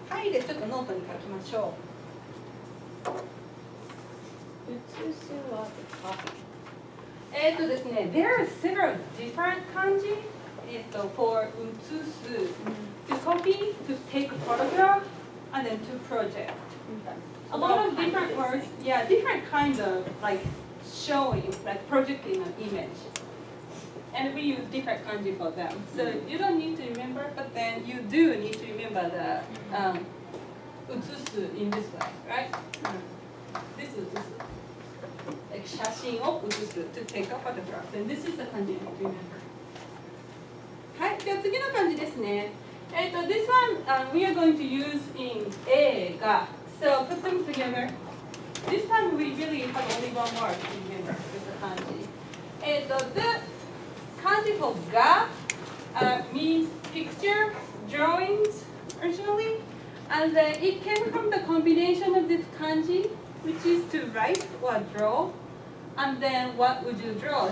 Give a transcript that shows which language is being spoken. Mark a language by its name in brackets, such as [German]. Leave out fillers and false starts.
[Japanese] はい、でちょっとノートに書きましょう。 [English] ですね、there are several different kanji for 写す to copy, to take a photograph, and then to project. A lot of different words, yeah, different kinds of like. Showing, like projecting an image. And we use different kanji for them. So you don't need to remember, but then you do need to remember the utsusu in this way, right? This is utsusu. Like, [Japanese] shashin wo utsusu, [English] to take a photograph. And this is the kanji you need to remember. [Japanese] はい、じゃあ次の漢字ですね。 [English] This one we are going to use in 映画. So put them together. This time we really have only one word to remember with the kanji. The kanji for ga means picture, drawings originally, and it came from the combination of this kanji, which is to write or draw, and then what would you draw?